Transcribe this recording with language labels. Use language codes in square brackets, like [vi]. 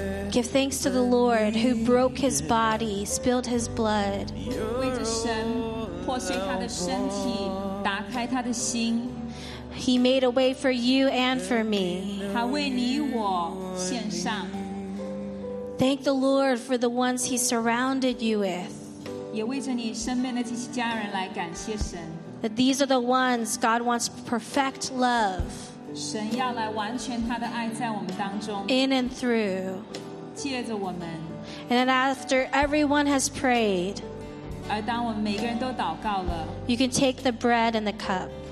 [en] Give thanks to the Lord who broke his body, spilled his blood. [zh] 为着神破碎他的身体，打开他的心。 [en] He made a way for you and for me. [zh] 他为你我献上。 [en] Thank the Lord for the ones he surrounded you with. [zh] 也为着你身边的这些家人来感谢神。 [en] That these are the ones God wants perfect love. [zh] 神要来完全他的爱在我们当中。 [en] In and through. [zh] 借着我们。 [en] And then after everyone has prayed. [zh] 而当我们每个人都祷告了。 [en] You can take the bread and the cup.